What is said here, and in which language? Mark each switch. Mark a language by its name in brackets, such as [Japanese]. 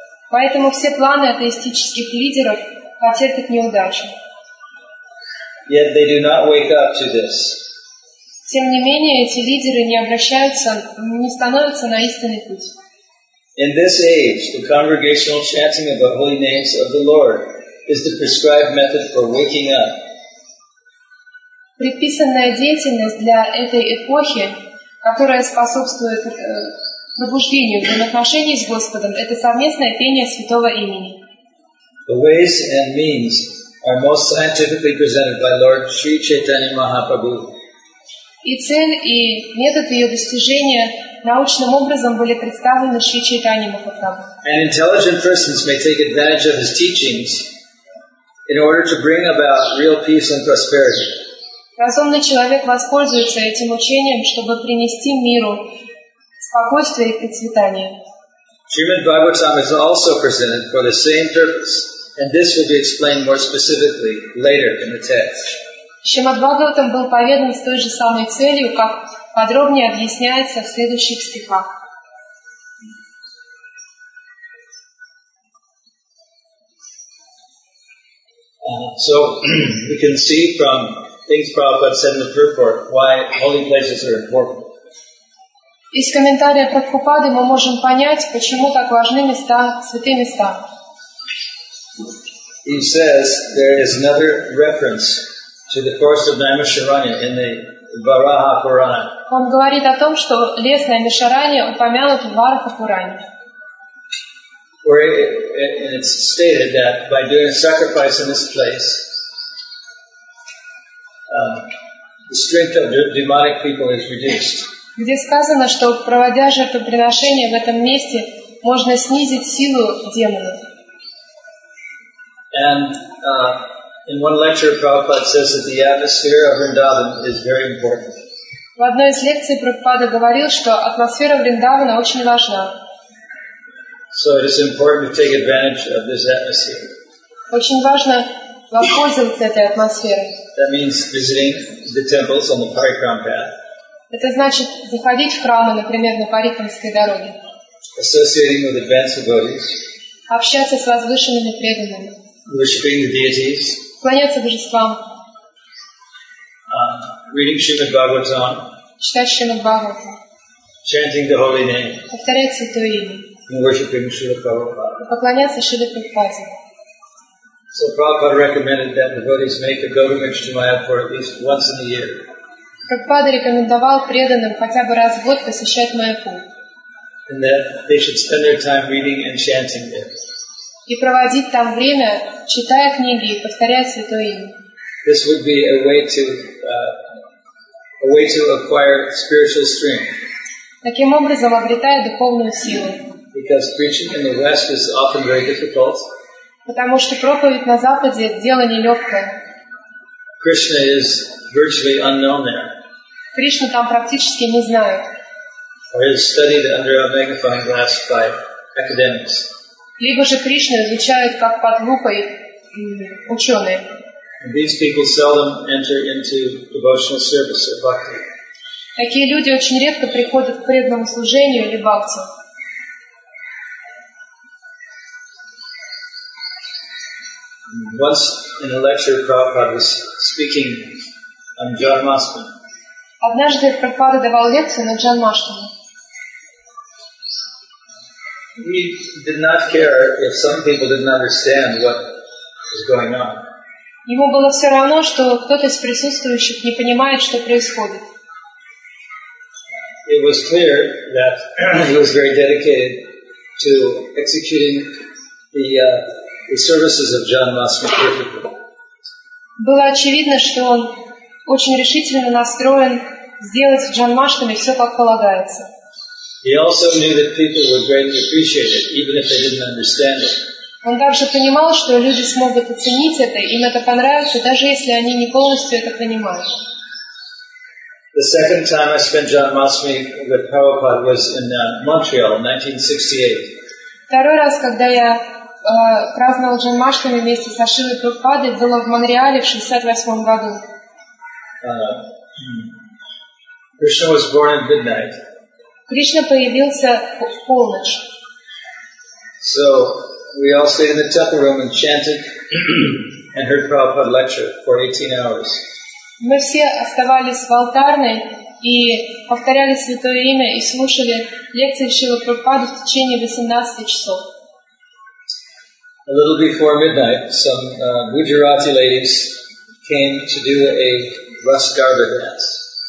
[Russian] Поэтому все планы атеистических лидеров потерпят неудачу. [English] Yet they do not wake up to this. [Russian] Тем не менее, эти лидеры не обращаются, не становятся на истинный путь. [English] In this age, the congregational chanting of the holy names of the Lord is the prescribed method for waking up. [Russian] Предписанная деятельность для этой эпохи, которая способствует пробуждению взаимоотношений с Господом, это совместное пение Святого Имени. [English] The ways and means are most scientifically presented by Lord Sri Chaitanya Mahaprabhu. [Russian] И цель, и метод ее достижения научным образом были представлены Шри Чайтанья Махапрабху. [English] And intelligent persons may take advantage of his teachings in order to bring about real peace and prosperity. [Russian] Разумный человек воспользуется этим учением, чтобы принести миру спокойствие и процветание. [English] Srimad Bhagavatam is also presented for the same purpose, and this will be explained more specifically later in the text. [Russian] Шримад-Бхагаватам был поведан с той же самой целью, как подробнее объясняется в следующих стихах. [English] So, we can see from things Prabhupada said in the purport why holy places are important. [Russian] Из комментария Прабхупады мы можем понять, почему так важны места, святые места. [English] He says there is another reference to the forest of Naimisharanya in the Varaha Purana. [Russian] Он говорит о том, что лес Наймишаранья упомянут в Вараха Пуране. [English] Where it's stated that by doing a sacrifice in this place, the strength of demonic people is reduced. [Russian] Где сказано, что проводя жертвоприношение в этом месте, можно снизить силу демонов. [English] And in one lecture, Prabhupada says that the atmosphere of Vrindavan is very important. [Russian] В одной из лекций Прабхупада говорил, что атмосфера Вриндавана очень важна. [English] So it is important to take advantage of this atmosphere. [Russian] Очень важно воспользоваться этой атмосферой. [English] That means visiting the temples on the Parikram path. [Russian] Это значит заходить в храмы, например, на Парикрамской дороге. [English] Associating with advanced devotees. [Russian] Общаться с возвышенными преданными. [English] Worshipping the deities. [Russian] Кланяться божествам. [English] Reading Srimad Bhagavatam. [Russian] читать Шримад-Бхагавату. [English] Chanting the holy name. [Russian] Повторять святое имя. [English] And worshiping Śrīla Prabhupāda. [Russian] Поклоняться Śrīla Prabhupāda. [English] So Prabhupāda recommended that devotees make a pilgrimage to Mayapur at least once in a year. [Russian] Prabhupāda рекомендовал преданным хотя бы раз в год посещать Майяпур. [English] And that they should spend their time reading and chanting there. [Russian] И проводить там время, читая книги и повторяя святое имя. [English] This would be a way to acquire spiritual strength. [Russian] Таким образом, обретая духовную силу. [English] Because preaching in the West is often very difficult. [Russian] Потому что проповедь на Западе – дело нелегкое. [English] Krishna is virtually unknown there. [Russian] Кришну там практически не знают. [English] Or is studied under a magnifying glass by academics. [Russian] Либо же Кришну изучают как под лупой ученые. [English] These people seldom enter into devotional service or bhakti. [Russian] Такие люди очень редко приходят к преданному служению или бхакти. [English] Once in a lecture, Prabhupada was speaking on Janmashtami. [Russian] Однажды Прабхупада давал лекцию на Джанмаштами. [English] He did not care if some people didn't understand what was going on. [Russian] Ему было все равно, что кто-то из присутствующих не понимает, что происходит. [English] It was clear that he was very dedicated to executing the services of Janmashtami perfectly. [Russian] Было очевидно, что он очень решительно настроен сделать в Джанмаштами все как полагается. [English] He also knew that people would greatly appreciate it, even if they didn't understand it. [Russian] Он также понимал, что люди смогут оценить это, им это понравится, даже если они не полностью это понимают. [English] The second time I spent Janmashtami with Prabhupada was in Montreal in 1968. [Russian] Второй раз, когда я праздновал Джанмаштами вместе со Шилой Прабхупадой, было в Монреале в 68 году. [English] Krishna was born at midnight. [Russian] Кришна появился в полночь. [English] So we all stayed in the temple room and chanted and heard Prabhupada lecture for 18 hours. [Russian] Мы все оставались в алтарной и повторяли святое имя и слушали лекции Шилы Прабхупады в течение 18 часов. [English] A little before midnight, some Gujarati ladies came to do a Rus Garba dance.